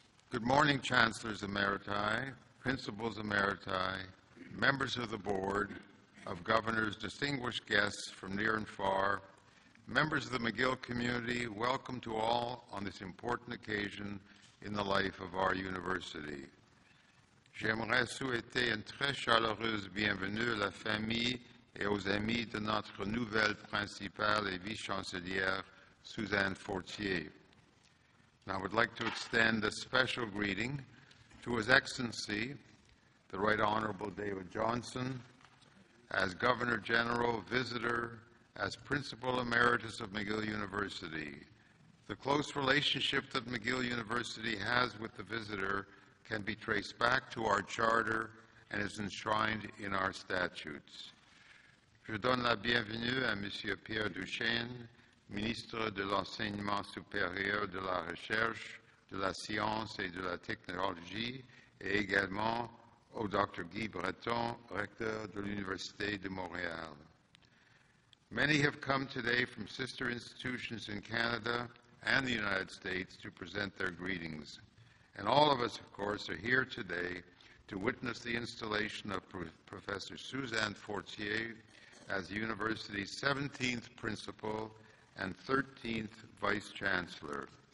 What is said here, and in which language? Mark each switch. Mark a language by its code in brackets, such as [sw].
[en] Good morning, Chancellors Emeriti, Principals Emeriti, members of the Board of Governors, distinguished guests from near and far, members of the McGill community, welcome to all on this important occasion in the life of our university. [fr] J'aimerais souhaiter une très chaleureuse bienvenue à la famille et aux amis de notre nouvelle principale et vice-chancelière, Suzanne Fortier. [en] And I would like to extend a special greeting to His Excellency, the Right Honorable David Johnson, as Governor General, Visitor, as Principal Emeritus of McGill University. The close relationship that McGill University has with the Visitor can be traced back to our charter and is enshrined in our statutes. [fr] Je donne la bienvenue à Monsieur Pierre Duchesne, ministre de l'Enseignement supérieur, de la Recherche, de la Science et de la Technologie, et également au Dr. Guy Breton, recteur de l'Université de Montréal. [en] Many have come today from sister institutions in Canada and the United States to present their greetings. And all of us, of course, are here today to witness the installation of Professor Suzanne Fortier as the university's 17th principal and 13th vice chancellor.